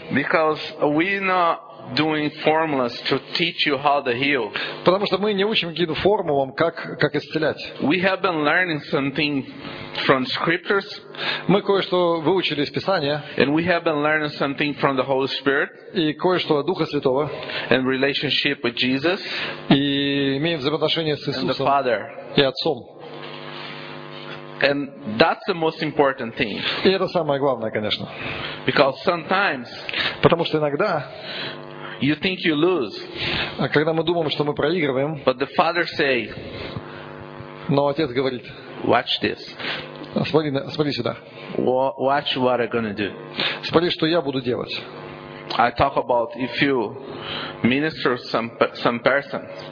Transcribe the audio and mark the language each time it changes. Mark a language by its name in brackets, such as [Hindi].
[English] Because we not doing formulas to teach you how to heal. [Russian] Потому что мы не учим какие-то формулы, как исцелять. [English] We have been learning something from scriptures. [Russian] Мы кое-что выучили из Писания. [English] And we have been learning something from the Holy Spirit. [Russian] И кое-что от Духа Святого. [English] And relationship with Jesus. [Russian] И имеем взаимоотношения с Иисусом. [English] And the Father. [Russian] И Отцом. [English] And that's the most important thing. [Russian] И это самое главное, конечно. [English] Because sometimes. [Russian] Потому что иногда. [English] You think you lose. [Russian] А когда мы думаем, что мы проигрываем. [English] But the Father say. [Russian] Но Отец говорит. [English] Watch this. [Russian] Смотри сюда. [English] Watch what I'm gonna do. [Russian] Смотри, что я буду делать. [English] I talk about if you minister some person.